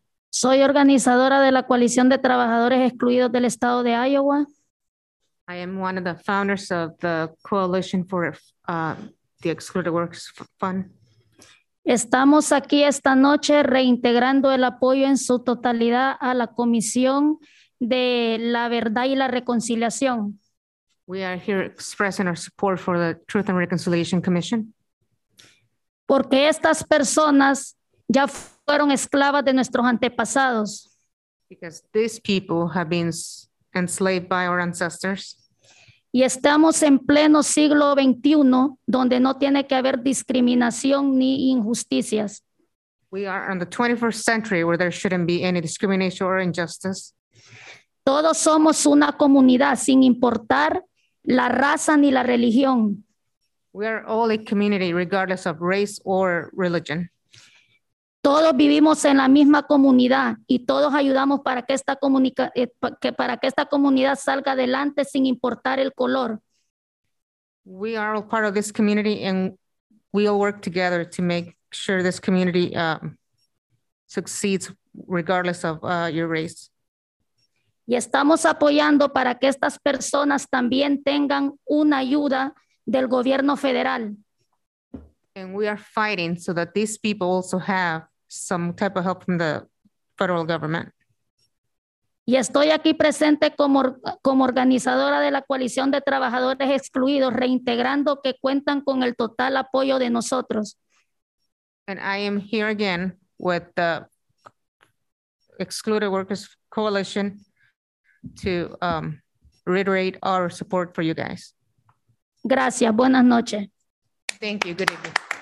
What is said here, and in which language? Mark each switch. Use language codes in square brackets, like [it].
[es] Soy organizadora de la Coalición de Trabajadores Excluidos del Estado de Iowa. [en] I am one of the founders of the Coalition for the Excluded Workers Fund. [es] Estamos aquí esta noche reintegrando el apoyo en su totalidad a la Comisión de la Verdad y la Reconciliación. [en] We are here expressing our support for the Truth and Reconciliation Commission. [es] Porque estas personas ya fueron esclavas de nuestros antepasados. [en] Because these people have been enslaved by our ancestors. [es] Y estamos en pleno siglo XXI, donde no tiene que haber discriminación ni injusticias. [en] We are in the 21st century where there shouldn't be any discrimination or injustice. [es] Todos somos una comunidad sin importar la raza ni la religión. [en] We are all a community regardless of race or religion. [es] Todos vivimos en la misma comunidad y todos ayudamos para que esta comunidad salga adelante sin importar el color. [en] We are all part of this community and we all work together to make sure this community succeeds regardless of your race. [es] Y estamos apoyando para que estas personas también tengan una ayuda del gobierno federal. [en] And we are fighting so that these people also have some type of help from the federal government. [es] Y estoy aquí presente como, como organizadora de la coalición de trabajadores excluidos, reintegrando que cuentan con el total apoyo de nosotros. [en] And I am here again with the Excluded Workers Coalition to reiterate our support for you guys. [es] Gracias. Buenas noches. [en] Thank you. Good evening.